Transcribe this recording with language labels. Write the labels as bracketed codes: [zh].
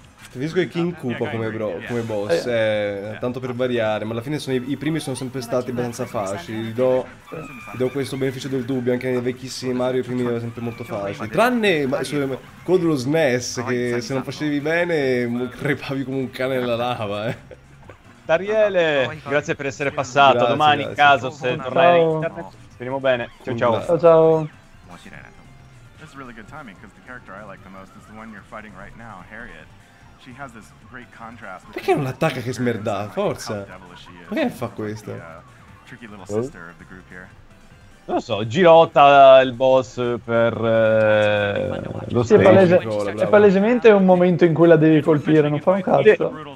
[it] Preferisco i King Koopa come boss, tanto per variare, ma alla fine sono i primi sono sempre stati abbastanza facili, gli do questo beneficio del dubbio, anche nei vecchissimi Mario i primi erano sempre molto facili, tranne quello dello SNES, che se non facevi bene crepavi come un cane nella lava, eh. Dariele, grazie per essere passato, grazie, domani grazie. In caso se tornerai in internet, speriamo bene, ciao ciao. Ciao ciao. [en] This is really good timing because the character I like the most is the one you're fighting right now, Harriet. She has this great contrast. [it] Perché non attacca che smerda? Forza. Perché fa questo? [en] Tricky little sister of the group here. [it] Non so, girotta il boss per lo sì, è palesemente un momento in cui la devi colpire, non fa un cazzo.